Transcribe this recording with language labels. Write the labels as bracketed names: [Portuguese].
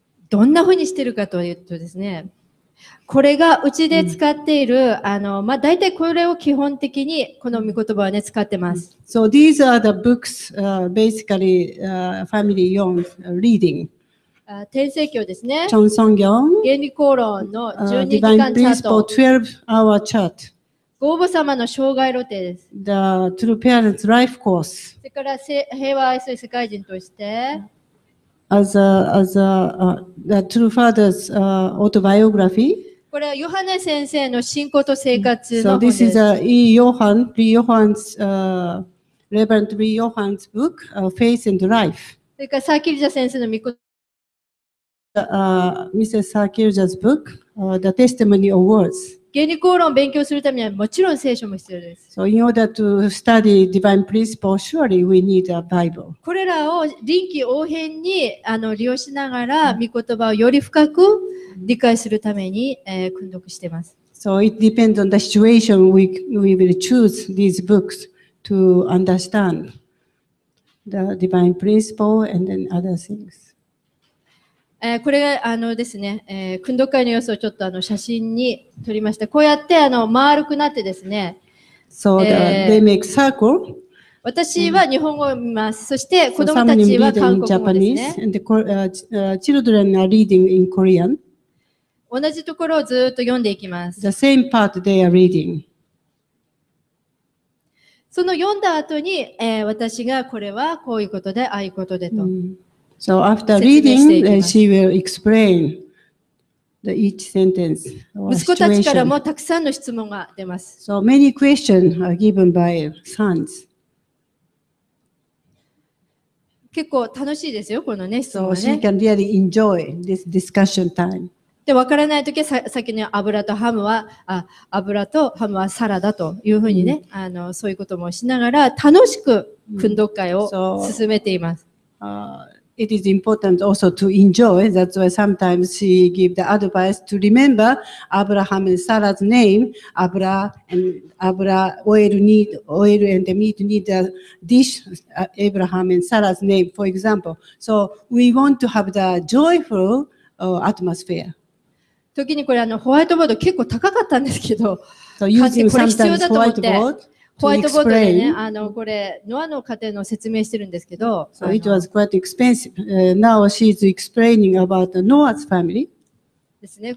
[Japanese] どんなふうにしているかというとですね、これがうちで使っている、まあ、大体これを基本的にこの御言葉はね使ってます。 [English] So these are the books, basically, family young reading. [Japanese] 天聖経ですね。チョンソンギョン。原理講論の12時間チャート。 [English] 12-hour chart。 [Japanese] ご父様の生涯路程です。 [English] The True Parents Life Course。 [Japanese] それから平和愛する世界人として。 [English] As a true father's autobiography. [Japanese] これはヨハネ先生の信仰と生活の本です。 [English] So this is a E. Johann, Lee Johann's, Reverend Lee Johann's book, Faith and Life. [Japanese] それからサーキルジャ先生の御言葉。 [English] Mrs. サーキルジャ's book, The Testimony of Words. [Japanese] 原理講論を勉強するためにはもちろん聖書も必要です。 [English] So in order to study divine principles, surely we need a Bible. [Japanese] これらを臨機応変に利用しながら御言葉をより深く理解するために、訓読しています。 [English] So it depends on the situation we will choose these books to understand the divine principle and then other things. [Japanese] これがですね、訓読会の様子をちょっと写真に撮りました。こうやって丸くなってですね。 [English] So they make circle. [Japanese] 私は日本語を見ます。そして子供たちは韓国語ですね。 [English] Some read in Japanese, and the children are reading in Korean. [Japanese] 同じところをずっと読んでいきます。 [English] The same part they are reading. [Japanese] その読んだ後に、私がこれはこういうことで、ああいうことでと。 [English] So after reading, she will explain the each sentence. [Japanese] 息子たちからもたくさんの質問が出ます。 [English] So many questions are given by sons. [Japanese] 結構楽しいですよ、このね、質問ね。 [English] So she can really enjoy this discussion time. [Japanese] で、わからないときは先に油とハムは、油とハムはサラダというふうにね、そういうこともしながら楽しく訓読会を進めています。 [English] It is important also to enjoy. That's why sometimes she gives the advice to remember Abraham and Sarah's name. Oil and the meat need the dish, Abraham and Sarah's name, for example. So we want to have the joyful atmosphere. [Japanese] 時にこれホワイトボード結構高かったんですけど、 [English] so、using sometimes [Japanese] ホワイトボード。ホワイトボードでね、これ、ノアの家庭の説明してるんですけど。 [English] So it was quite expensive. Now she's explaining about Noah's family. [Japanese] ですね。